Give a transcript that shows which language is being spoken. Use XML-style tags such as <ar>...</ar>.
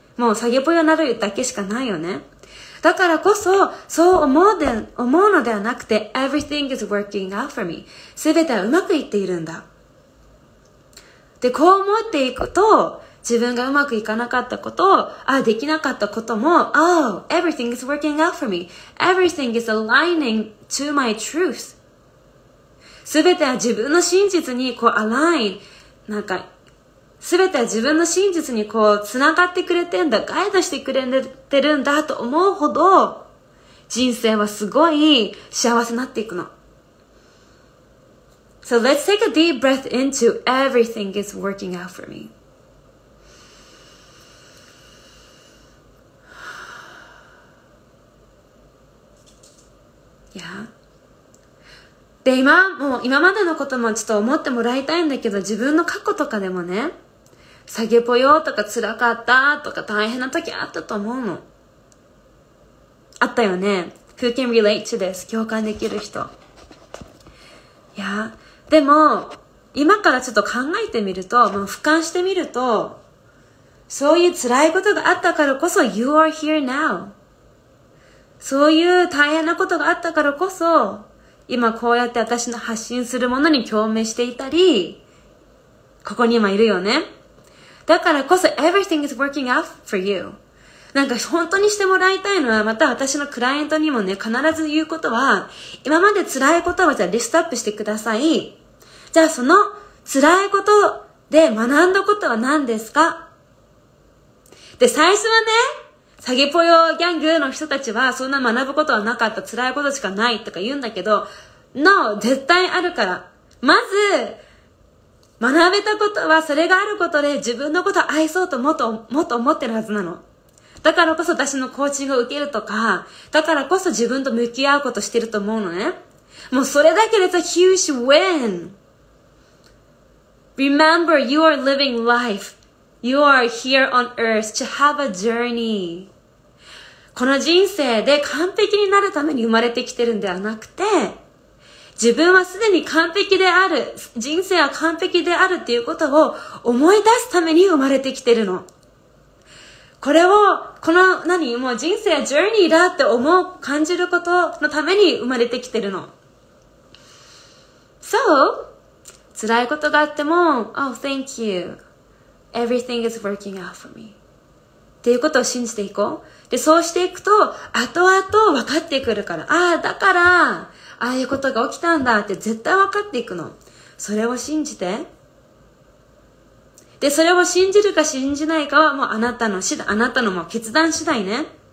<ja>もう下げぽよになるだけしかないよね。だからこそ、そう思うのではなくて、</ja> <en>Everything is working out for me.</en> <ja>全てはうまくいっているんだ。で、こう思っていくと、自分がうまくいかなかったこと、できなかったことも、</ja> <en>Oh, everything is working out for me. Everything is aligning to my truth.</en> <ja>すべては自分の真実にこう align。なんか、すべては自分の真実にこう繋がってくれてんだ、ガイドしてくれてるんだと思うほど、人生はすごい幸せになっていくの。</ja> <en>So let's take a deep breath into everything is working out for me. Yeah.</en> <ja>で、今までのこともちょっと思ってもらいたいんだけど、自分の過去とかでもね、下げぽよとか辛かったとか大変な時あったと思うの。あったよね。</ja> <en>Who can relate to this?</en> <ja>共感できる人。</ja> <en>Yeah.</en> <ja>でも、今からちょっと考えてみると、もう俯瞰してみると、そういう辛いことがあったからこそ、</ja> <en>You are here now.</en> <ja>そういう大変なことがあったからこそ、今こうやって私の発信するものに共鳴していたり、ここに今いるよね。だからこそ、</ja> <en>Everything is working out for you.</en> <ja>なんか本当にしてもらいたいのは、また私のクライアントにもね、必ず言うことは、今まで辛いことはじゃあリストアップしてください。じゃあその辛いことで学んだことは何ですか？で、最初はね、詐欺ぽよギャングの人たちはそんな学ぶことはなかった、辛いことしかないとか言うんだけど、</ja> <en>No!</en> <ja>絶対あるから。まず、学べたことはそれがあることで自分のことを愛そうともっと思ってるはずなの。だからこそ私のコーチングを受けるとか、だからこそ自分と向き合うことしてると思うのね。もうそれだけで</ja> <en>It's a huge win! Remember, you are living life. You are here on earth to have a journey.</en> <ja>この人生で完璧になるために生まれてきてるんではなくて、自分はすでに完璧である、人生は完璧であるっていうことを思い出すために生まれてきてるの。これを、この何、もう人生はジョーニーだって思う、感じることのために生まれてきてるの。</ja> <en>So,</en> <ja>辛いことがあっても、</ja> <en>Oh, thank you. Everything is working out for me.</en> <ja>っていうことを信じていこう。で、そうしていくと、後々分かってくるから。ああ、だから、ああいうことが起きたんだって絶対分かっていくの。それを信じて。で、それを信じるか信じないかはもうあなたの、あなたのもう決断次第ね。</ja>